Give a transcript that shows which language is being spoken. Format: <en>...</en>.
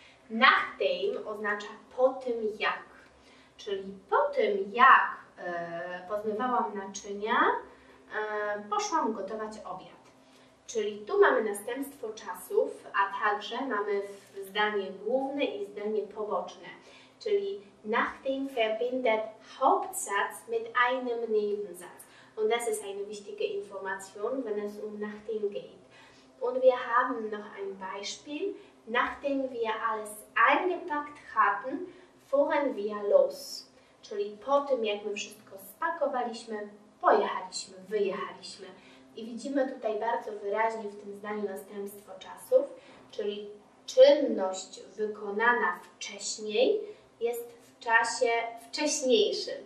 <pl>Nachdem oznacza po tym jak. Czyli po tym jak pozmywałam naczynia, poszłam gotować obiad. Czyli tu mamy następstwo czasów, a także mamy zdanie główne i zdanie poboczne.</pl> <de>Czyli nachdem verbindet Hauptsatz mit einem Nebensatz. Und das ist eine wichtige Information, wenn es um nachdem geht. Und wir haben noch ein Beispiel. Nachdem wir alles eingepackt hatten, fuhren wir los.</de> <pl>Czyli po tym, jak my wszystko spakowaliśmy, pojechaliśmy, wyjechaliśmy. I widzimy tutaj bardzo wyraźnie w tym zdaniu następstwo czasów, czyli czynność wykonana wcześniej jest w czasie wcześniejszym.</pl>